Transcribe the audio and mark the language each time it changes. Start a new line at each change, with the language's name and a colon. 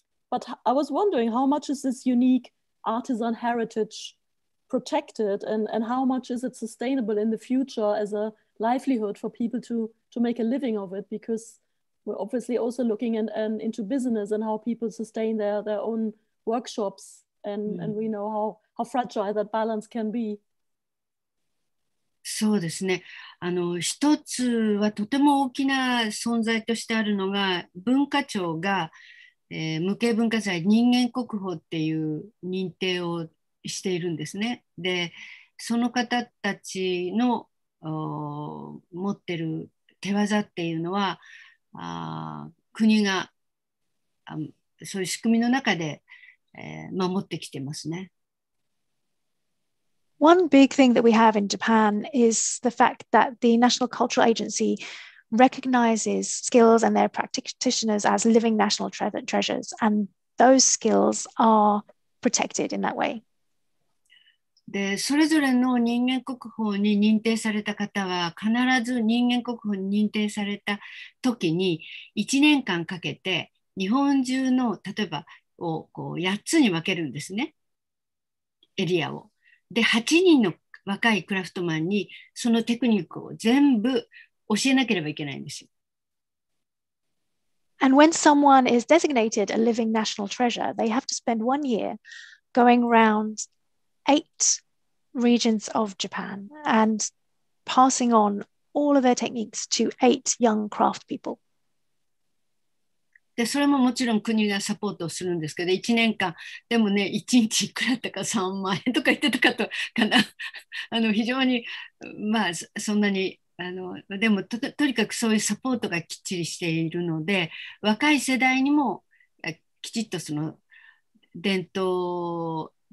English: But I was wondering how much is this unique artisan heritage protected, and how much is it sustainable in the future as a livelihood for people to make a living of it? Because we're obviously also looking and into business and how people sustain their own workshops, and we know how fragile that balance can be.
Japanese: そうですね。あの、一つはとても大きな存在としてあるのが、文化庁が、無形文化財人間国宝っていう認定をしているんですね。で、その方たちの持ってる手技っていうのは、国がそういう仕組みの中で、守ってきてますね。
English: One big thing that we have in Japan is the fact that the National Cultural Agency recognizes skills and their practitioners as living national treasures, and those skills are protected in that way.
Japanese: で、それぞれの人間国宝に認定された方は、必ず人間国宝に認定された時に、1年間かけて日本中の例えばをこう8つに分けるんですね、エリアを。で、8人の若いクラフトマンにそのテクニックを全部教えなければいけないんですよ。
English: And when someone is designated a living national treasure, they have to spend 1 year going around 8 regions of Japan and passing on all of their techniques to 8 young craft people.
Japanese: で、それももちろん国がサポートをするんですけど、1年間、でもね、1日いくらだったか3万円とか言ってたかとかな、あの非常に、まあ、そんなに、あのでも とにかくそういうサポートがきっちりしているので、若い世代にもきちっとその伝統、